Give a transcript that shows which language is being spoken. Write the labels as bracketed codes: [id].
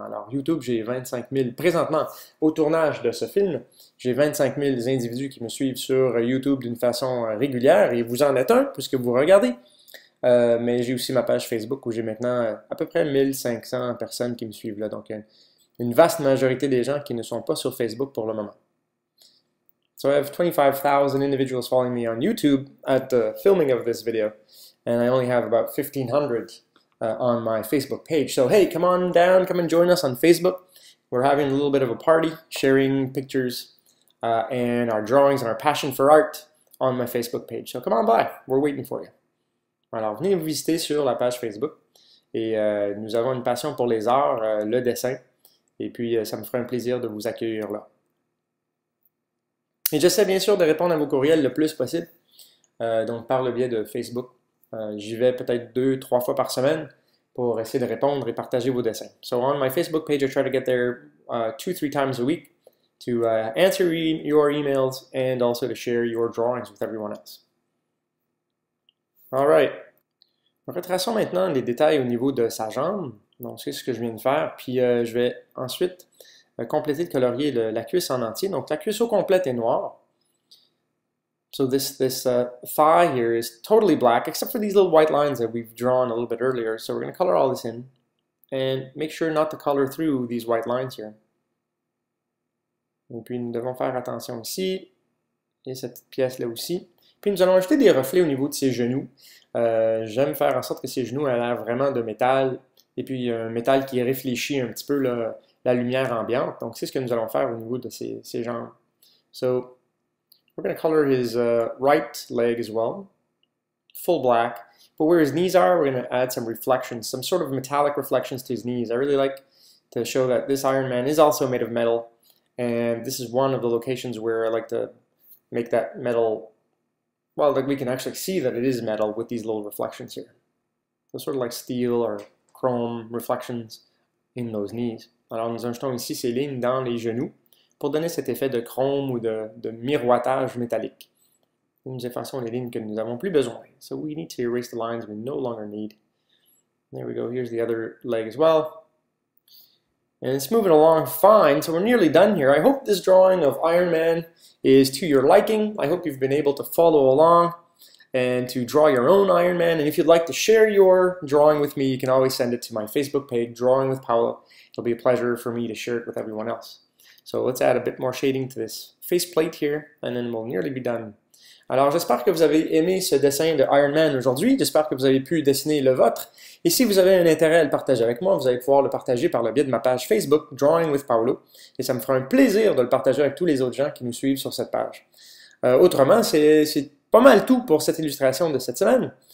[fr] Alors, YouTube, j'ai 25 000, présentement, au tournage de ce film, j'ai 25 000 individus qui me suivent sur YouTube d'une façon régulière, et vous en êtes un, puisque vous regardez. Mais j'ai aussi ma page Facebook, où j'ai maintenant à peu près 1500 personnes qui me suivent là. Donc, une vaste majorité des gens qui ne sont pas sur Facebook pour le moment. [en] So I have 25,000 individuals following me on YouTube at the filming of this video, and I only have about 1,500 on my Facebook page. So hey, come on down, come and join us on Facebook. We're having a little bit of a party, sharing pictures and our drawings and our passion for art on my Facebook page. So come on by, we're waiting for you. [fr] Alors, venez vous visiter sur la page Facebook. Et nous avons une passion pour les arts, le dessin. Et puis, ça me ferait un plaisir de vous accueillir là. Et j'essaie bien sûr de répondre à vos courriels le plus possible, donc par le biais de Facebook. J'y vais peut-être 2-3 fois par semaine pour essayer de répondre et partager vos dessins. [en] So on my Facebook page, I try to get there 2-3 times a week to answer your emails and also to share your drawings with everyone else. All right. [fr] Retraçons maintenant les détails au niveau de sa jambe. Donc, c'est ce que je viens de faire. Puis, je vais ensuite compléter de colorier la cuisse en entier. Donc, la cuisse au complet est noire. [en] So, this thigh here is totally black, except for these little white lines that we've drawn a little bit earlier. So, we're going to color all this in. And make sure not to color through these white lines here. [fr] Et puis, nous devons faire attention ici. Et cette pièce-là aussi. Puis, nous allons ajouter des reflets au niveau de ses genoux. J'aime faire en sorte que ses genoux aient l'air vraiment de métal. Et puis, un métal qui réfléchit un petit peu là, la lumière ambiante. Donc, c'est ce que nous allons faire au niveau de ses jambes. [en] So, we're going to color his right leg as well. Full black. But where his knees are, we're going to add some reflections, some sort of metallic reflections to his knees. I really like to show that this Iron Man is also made of metal. And this is one of the locations where I like to make that metal, well, like we can actually see that it is metal with these little reflections here. So, sort of like steel or chrome reflections in those knees. [fr] Alors, nous ajoutons ici ces lignes dans les genoux pour donner cet effet de chrome ou de miroitage métallique. Et nous effaçons les lignes que nous n'avons plus besoin. [en] So we need to erase the lines we no longer need. There we go, here's the other leg as well. And it's moving along fine, so we're nearly done here. I hope this drawing of Iron Man is to your liking. I hope you've been able to follow along and to draw your own Iron Man. And if you'd like to share your drawing with me, you can always send it to my Facebook page, Drawing with Paolo. It'll be a pleasure for me to share it with everyone else. So let's add a bit more shading to this faceplate here, and then we'll nearly be done. [fr] Alors, j'espère que vous avez aimé ce dessin de Iron Man aujourd'hui. J'espère que vous avez pu dessiner le vôtre. Et si vous avez un intérêt à le partager avec moi, vous allez pouvoir le partager par le biais de ma page Facebook, Drawing with Paolo. Et ça me fera un plaisir de le partager avec tous les autres gens qui nous suivent sur cette page. Autrement, c'est pas mal tout pour cette illustration de cette semaine.